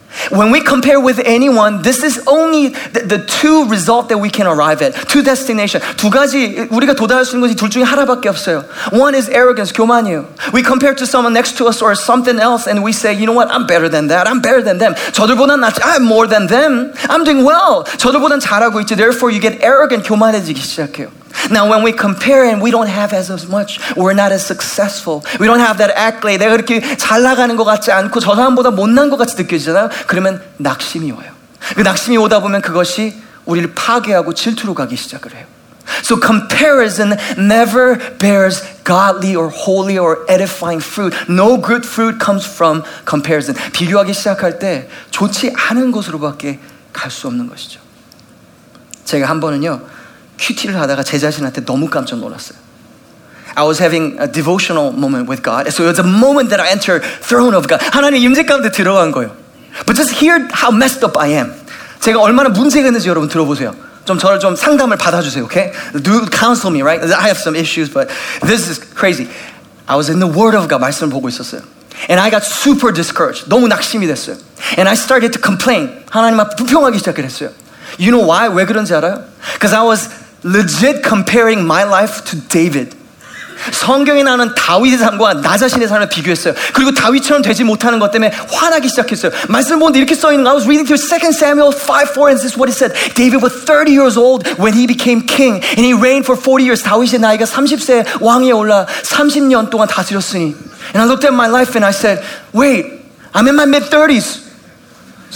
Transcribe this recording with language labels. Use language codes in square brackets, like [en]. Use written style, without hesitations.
[en] When we compare with anyone, this is only the two result that we can arrive at. Two destination. [ko] 두 가지 우리가 도달할 수 있는 것이 둘 중에 하나밖에 없어요. [en] One is arrogance, [ko] 교만이요. [en] We compare to someone next to us or something else and we say, you know what, I'm better than that, I'm better than them. [ko] 저들보다 낫지, [en] I'm more than them, I'm doing well. [ko] 저들보다 잘하고 있지, [en] therefore you get arrogant, [ko] 교만해지기 시작해요. [en] Now when we compare and we don't have as much, we're not as successful. We don't have that accolade. [ko] 내가 그렇게 잘 나가는 것 같지 않고 저 사람보다 못난 것 같이 느껴지잖아요. 그러면 낙심이 와요. 그 낙심이 오다 보면 그것이 우리를 파괴하고 질투로 가기 시작을 해요. [en] So comparison never bears godly or holy or edifying fruit. No good fruit comes from comparison. [ko] 비교하기 시작할 때 좋지 않은 곳으로밖에 갈 수 없는 것이죠. 제가 한 번은요. 큐티를 하다가 제 자신한테 너무 깜짝 놀랐어요. [en] I was having a devotional moment with God. So it was a moment that I entered throne of God. [ko] 하나님 임재 가운데 들어간 거예요. [en] But just hear how messed up I am. [ko] 제가 얼마나 문제가 있는지 여러분 들어보세요. 좀 저를 좀 상담을 받아주세요. [en] Okay? Do counsel me, right? I have some issues, but this is crazy. I was in the Word of God, [ko] 말씀을 보고 있었어요. [en] And I got super discouraged. [ko] 너무 낙심이 됐어요. [en] And I started to complain. [ko] 하나님 앞에 불평하기 시작을 했어요. [en] You know why? [ko] 왜 그런지 알아요? [en] Because I was legit comparing my life to David. [ko] 성경에 나오는 다윗의 삶과 나 자신의 삶을 비교했어요. 그리고 다윗처럼 되지 못하는 것 때문에 화나기 시작했어요. 말씀 보는데 이렇게 써 있는 거. [en] I was reading through 2 Samuel 5:4 and this is what it said. David was 30 years old when he became king and he reigned for 40 years. [ko] 다윗의 나이가 30세 왕에 올라 30년 동안 다스렸으니. [en] And I looked at my life and I said, "Wait, I'm in my mid-30s.